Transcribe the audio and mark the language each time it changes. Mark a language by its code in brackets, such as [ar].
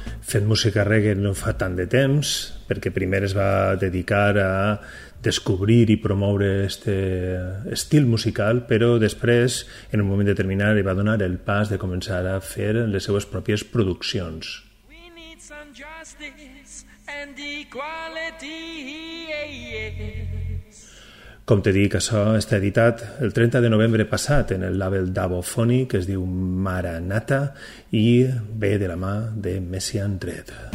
[ca] Fent música reggae no fa tant de temps, perquè primer es va dedicar a descobrir i promoure aquest estil musical, però després, en un moment determinat, li va donar el pas de començar a fer les seues pròpies produccions. [en] We need some justice and equality, yes. [ca] Com t'he dit, això està editat el 30 de novembre passat en el label Dubophony, que es diu Maranatha, i ve de la mà de Messian Dread.